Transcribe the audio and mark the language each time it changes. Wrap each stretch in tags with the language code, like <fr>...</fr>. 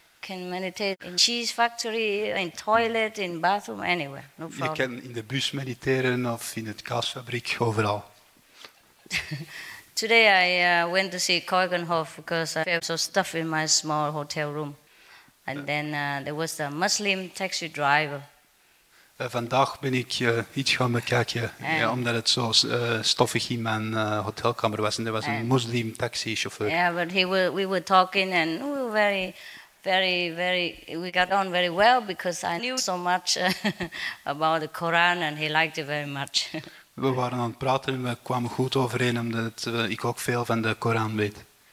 <en>can meditate in cheese factory, in toilet, in bathroom, anywhere. No problem.</en> <nl>Je kan in de bus mediteren of in het kaasfabriek, overal.</nl> <en>Today I went to see Keukenhof because I felt so stuffy in my small hotel room. And then there was a Muslim taxi driver.</en> <nl>Vandaag ben ik iets gaan bekijken, ja, omdat het zo stoffig in mijn hotelkamer was. En er was een Muslim taxichauffeur. Ja, maar</nl> <en>we were talking and we were we got on very well because I knew so much about the Koran and he liked it very much.</en> <nl>We waren aan het praten en we kwamen goed overeen omdat ik ook veel van de Koran weet.</nl>